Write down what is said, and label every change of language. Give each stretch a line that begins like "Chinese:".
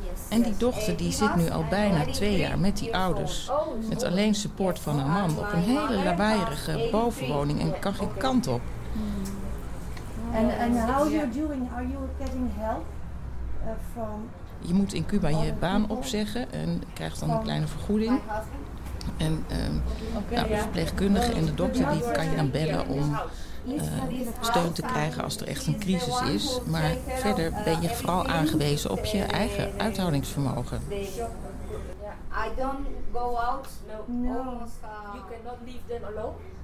Dutch: En die dochter die zit nu al bijna 2 jaar met die ouders. Met alleen support van haar man op een hele lawaaierige bovenwoning en kan geen kant op. En
English: how are you doing? Are you getting help from?
Dutch: Je moet in Cuba je baan opzeggen en krijgt dan een kleine vergoeding. En de verpleegkundige en de dokter die kan je dan bellen om steun te krijgen als er echt een crisis is. Maar verder ben je vooral aangewezen op je eigen uithoudingsvermogen.
English: I don't go out. No. You cannot leave them alone?